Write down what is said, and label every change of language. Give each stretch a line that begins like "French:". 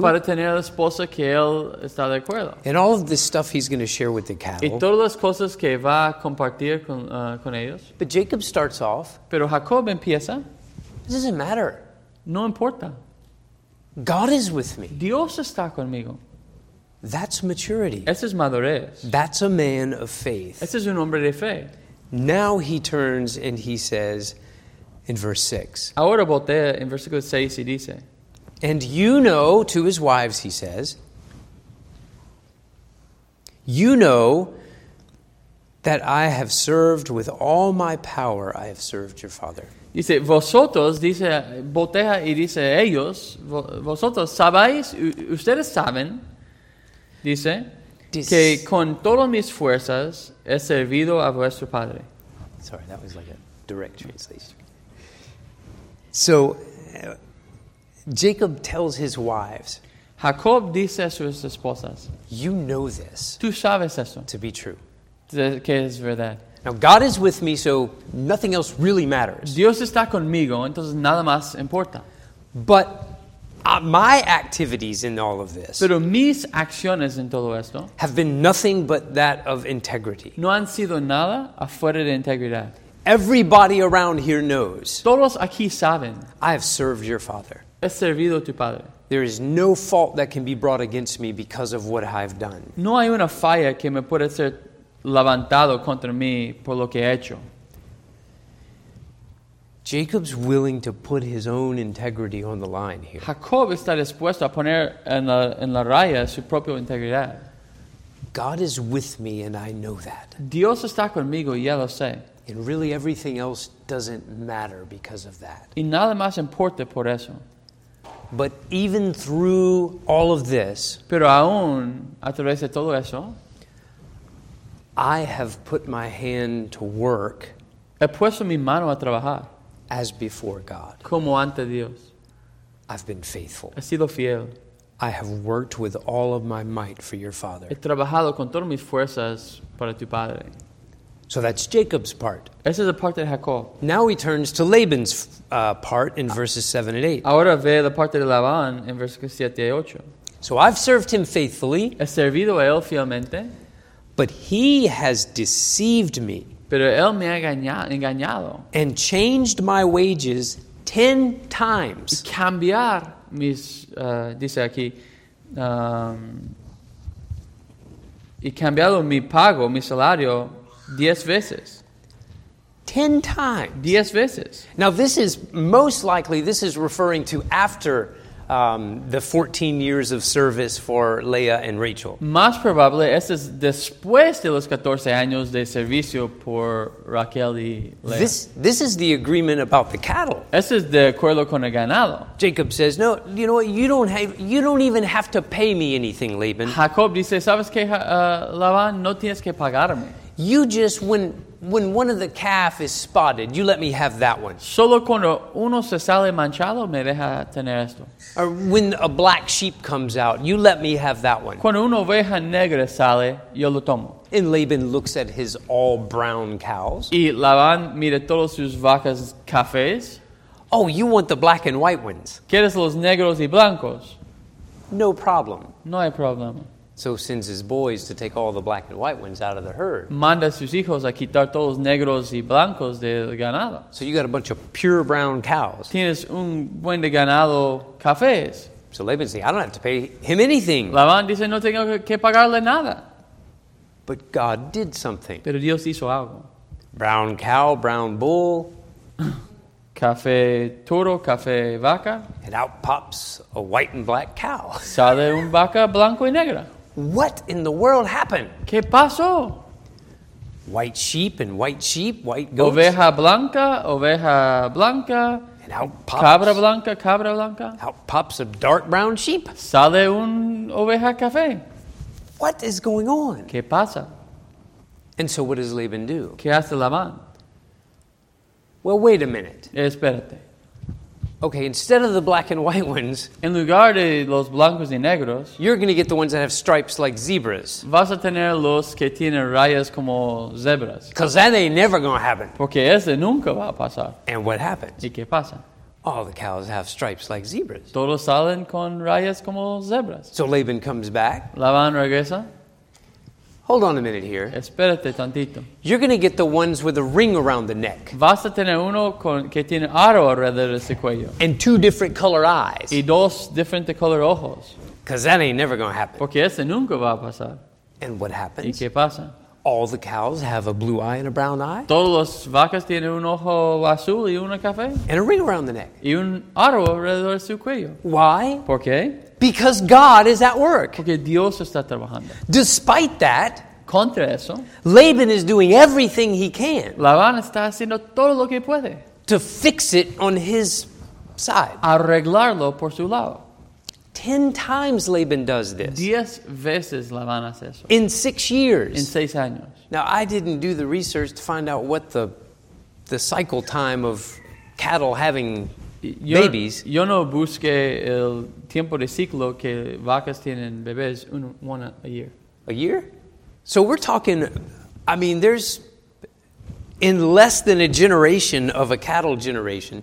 Spanish: Para tener la esposa que él estaba de acuerdo.
English: And all of this stuff he's going to share with the cattle.
Spanish: Y todas las cosas que va a compartir con ellos.
English: But Jacob starts off.
Spanish: Pero Jacob empieza.
English: It doesn't matter.
Spanish: No importa.
English: God is with me.
Spanish: Dios está conmigo.
English: That's maturity.
Spanish: Eso es madurez.
English: That's a man of faith.
Spanish: Eso es un hombre de fe.
English: Now he turns and he says in verse 6.
Spanish: Ahora voltea en versículo 6 y dice.
English: And you know, to his wives he says, you know that I have served with all my power, I have served your father.
Spanish: Dice, vosotros, dice, voltea y dice, ellos, vosotros sabéis, ustedes saben, dice, que con todas mis fuerzas he servido a vuestro padre.
English: Sorry, that was like a direct translation. So, Jacob tells his wives.
Spanish: Jacob dice a sus esposas.
English: You know this.
Spanish: Tú sabes eso.
English: To be true.
Spanish: Que es verdad.
English: Now, God is with me, so nothing else really matters.
Spanish: Dios está conmigo, entonces nada más importa.
English: But my activities in all of this.
Spanish: Pero mis acciones en todo esto
English: have been nothing but that of integrity.
Spanish: No han sido nada afuera de integridad.
English: Everybody around here knows.
Spanish: Todos aquí saben.
English: I have served your father.
Spanish: He servido tu padre.
English: There is no fault that can be brought against me because of what I've done.
Spanish: No hay una falla que me pueda ser levantado contra mí por lo que he hecho.
English: Jacob's willing to put his own integrity on the line here.
Spanish: Jacob está dispuesto a poner en la raya su propia integridad.
English: God is with me and I know that.
Spanish: Dios está conmigo y ya lo sé.
English: And really everything else doesn't matter because of that.
Spanish: Y nada más importa por eso.
English: But even through all of this,
Spanish: pero aún a través de todo eso,
English: I have put my hand to work.
Spanish: He puesto mi mano a trabajar.
English: As before God.
Spanish: Como ante Dios.
English: I've been faithful.
Spanish: He sido fiel.
English: I have worked with all of my might for your father.
Spanish: He trabajado con todas mis fuerzas para tu padre.
English: So that's Jacob's part.
Spanish: Esa es la parte de Jacob.
English: Now he turns to Laban's part in verses 7 and 8.
Spanish: Ahora ve la parte de Laban en versículos 7 y 8.
English: So I've served him faithfully.
Spanish: He servido a él fielmente.
English: But he has deceived me.
Spanish: Pero él me ha engañado.
English: And changed my wages 10 times.
Spanish: Y cambiar mis, dice aquí, y cambiado mi pago, mi salario, 10 veces.
English: 10 times.
Spanish: 10 veces.
English: Now this is most likely, this is referring to after the 14 years of service for Leah and Rachel.
Spanish: Más probable, esto es después de los 14 años de servicio por Raquel y Leah.
English: This is the agreement about the cattle.
Spanish: Esto es de acuerdo con el ganado.
English: Jacob says, no, you know what, you don't even have to pay me anything, Laban.
Spanish: Jacob dice, ¿sabes qué, Laban? No tienes que pagarme.
English: You just, when one of the calf is spotted, you let me have that one.
Spanish: Solo cuando uno se sale manchado, me deja tener esto.
English: Or when a black sheep comes out, you let me have that one.
Spanish: Cuando una oveja negra sale, yo lo tomo.
English: And Laban looks at his all brown cows.
Spanish: Y Laban mira todas sus vacas cafés.
English: Oh, you want the black and white ones.
Spanish: ¿Quieres los negros y blancos?
English: No problem.
Spanish: No hay problema.
English: So sends his boys to take all the black and white ones out of the herd.
Spanish: Manda a sus hijos a quitar todos los negros y blancos del ganado.
English: So you got a bunch of pure brown cows.
Spanish: Tienes un buen de ganado cafés.
English: So Laban says, I don't have to pay him anything.
Spanish: Laban dice, no tengo que pagarle nada.
English: But God did something.
Spanish: Pero Dios hizo algo.
English: Brown cow, brown bull.
Spanish: Café toro, café vaca.
English: And out pops a white and black cow.
Spanish: Sale un vaca blanco y negra.
English: What in the world happened?
Spanish: ¿Qué pasó?
English: White sheep and white sheep, white goats.
Spanish: Oveja blanca,
English: and out pops,
Spanish: cabra blanca,
English: out pops a dark brown sheep.
Spanish: Sale un oveja café.
English: What is going on?
Spanish: ¿Qué pasa?
English: And so what does Laban do?
Spanish: ¿Qué hace Labán?
English: Well, wait a minute.
Spanish: Espérate.
English: Okay, instead of the black and white ones,
Spanish: en lugar de los blancos y negros,
English: you're going to get the ones that have stripes like zebras.
Spanish: Vas a tener los que tienen rayas como zebras.
English: Because that ain't never going to happen.
Spanish: Porque ese nunca va a pasar.
English: And what happens?
Spanish: ¿Y qué pasa?
English: All the cows have stripes like zebras.
Spanish: Todos salen con rayas como zebras.
English: So Laban comes back.
Spanish: Labán regresa.
English: Hold on a minute here.
Spanish: Espérate tantito.
English: You're going to get the ones with a ring around the neck.
Spanish: Vas a tener uno con, que tiene aro alrededor de ese cuello.
English: And two different color eyes.
Spanish: Y dos diferentes color ojos.
English: Because that ain't never going to happen.
Spanish: Porque ese nunca va a pasar.
English: And what happens?
Spanish: ¿Y qué pasa?
English: All the cows have a blue eye and a brown eye.
Spanish: Todas las vacas tienen un ojo azul y una café.
English: And a ring around the neck.
Spanish: Y un aro alrededor de su cuello.
English: Why?
Spanish: ¿Por qué?
English: Because God is at work.
Spanish: Porque Dios está trabajando.
English: Despite that,
Spanish: contra eso,
English: Laban is doing everything he can.
Spanish: Labán está haciendo todo lo que puede.
English: To fix it on his side.
Spanish: Arreglarlo por su lado.
English: 10 times Laban does this.
Spanish: 10 veces Labán hace eso.
English: In 6 years.
Spanish: En 6 años.
English: Now, I didn't do the research to find out what the cycle time of cattle having babies.
Spanish: Yo no busqué el tiempo de ciclo que vacas tienen bebés,
English: one a year. A year? So we're talking, I mean, there's, in less than a generation of a cattle generation.